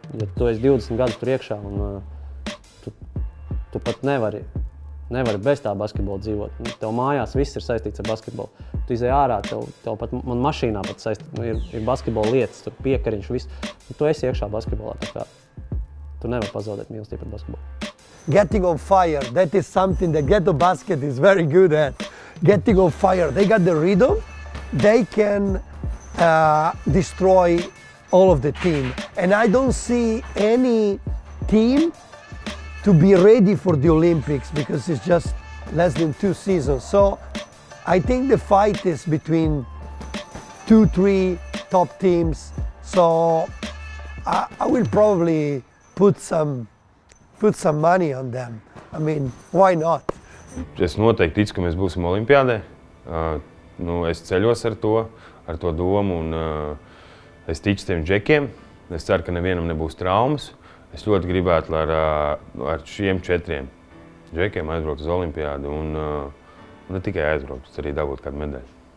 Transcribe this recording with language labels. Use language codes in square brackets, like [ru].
[lv] Ja tu esi 20 gadus tur iekšā, un tu pat nevari bez tā basketbola dzīvot. Tev mājās viss ir saistīts ar basketbolu. Tu izēji ārā, tev pat man mašīnā pat saistīts. Nu, ir basketbola lietas, tur piekariņš, viss. Tu esi iekšā basketbolā, tā kā tu nevar pazaudēt mīlestību pret basketbolu. [en] Getting on fire, that is something that Ghetto Basket is very good at. Getting on fire, they got the rhythm, they can destroy all of the team. And I don't see any team to be ready for the Olympics because it's just less than 2 seasons. So I think the fight is between 2-3 top teams. So I will probably put some money on them. I mean, why not? [lv] Es noteikti ticu, ka mēs būsim olimpiādē. Es ceļos ar to domu un es ticu tiem džekiem. Es ceru, ka nevienam nebūs traumas. Es ļoti gribētu ar šiem četriem džekiem aizbraukt uz olimpiādu un ne tikai aizbraukt, bet arī dabūt kādu medaļu.